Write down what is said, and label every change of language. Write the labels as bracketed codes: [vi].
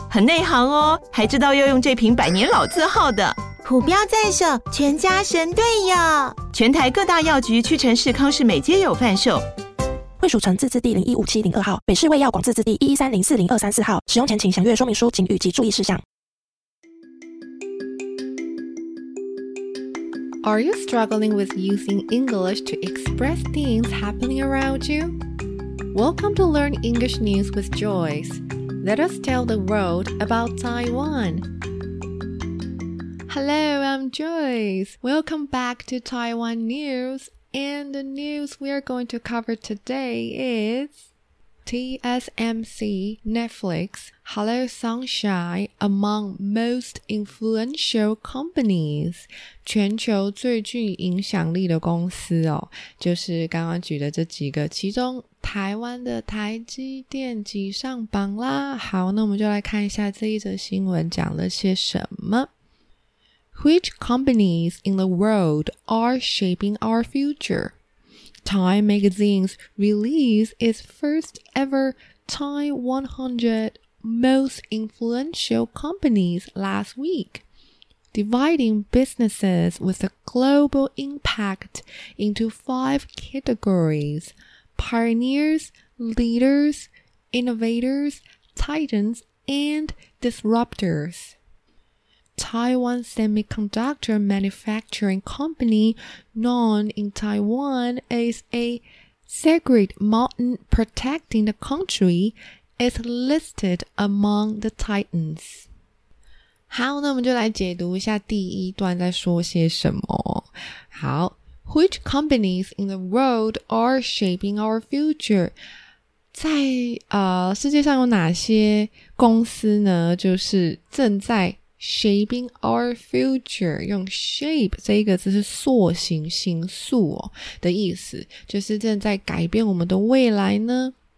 [zh] 很内行哦，还知道要用这瓶百年老字号的。虎标在手，全家神队友。全台各大药局、屈臣氏、康氏美皆有贩售。卫蜀成字字第015702号，北市卫药广字字第113040234号。使用前请详阅说明书请语及注意事项。 [en] Are you struggling with using English to express things happening around you? Welcome to Learn English News with Joyce. Let us tell the world about Taiwan. Hello, I'm Joyce. Welcome back to Taiwan News. And the news we are going to cover today is TSMC, Netflix, Hello Sunshine, among most influential companies. [zh] 全球最具影响力的公司哦，就是刚刚举的这几个，其中台湾的台积电挤上榜啦。好，那我们就来看一下这一则新闻讲了些什么。 [en] Which companies in the world are shaping our future? Time Magazine's release its first ever Taiwan 100 Most Influential Companies last week, dividing businesses with a global impact into five categories: pioneers, leaders, innovators, titans, and disruptors. Taiwan Semiconductor Manufacturing Company, known in Taiwan as a sacred mountain protecting the country, is listed among the titans. [zh] 好，那我们就来解读一下第一段在说些什么。 [en] 好， Which companies in the world are shaping our future? [zh] 在世界上有哪些公司呢？就是正在 [en] Shaping our future, [zh] 用 shape 这一个字是塑形形塑、哦、的意思，就是正在改变我们的未来呢。